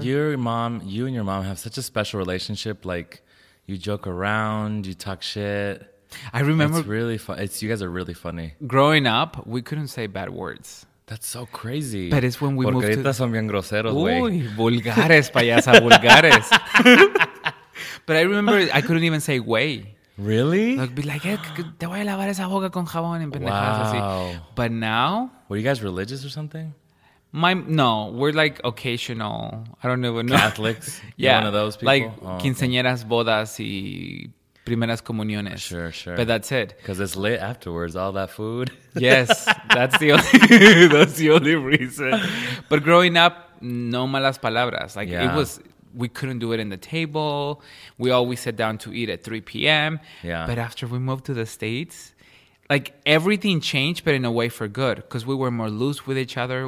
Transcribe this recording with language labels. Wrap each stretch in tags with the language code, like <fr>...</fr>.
<en>Your mom, you and your mom have such a special relationship. Like, you joke around, you talk shit. I remember. It's really fun. It's, you guys are really funny. Growing up, we couldn't say bad words. That's so crazy. But it's when we moved to.</en> <es>Son bien groseros, güey. Uy, vulgares, payasa, vulgares.</es> <en>But I remember I couldn't even say güey. Really? Like, be like, hey,</en> <es>te voy a lavar esa boca con jabón en pendejadas.</es> <en>Wow. But now... Were you guys religious or something? No, we're like occasional. I don't even know. Catholics? Yeah. One of those people?</en> <es>Like quinceañeras, bodas y primeras comuniones.</es> <en>Sure, sure. But that's it. Because it's lit afterwards, all that food. Yes, that's the only, that's the only reason. But growing up,</en> <es>no malas palabras.</es> <en>Like, yeah. it was... We couldn't do it in the table. We always sat down to eat at 3 p.m. Yeah. But after we moved to the States, like, everything changed, but in a way for good, because we were more loose with each other.</en>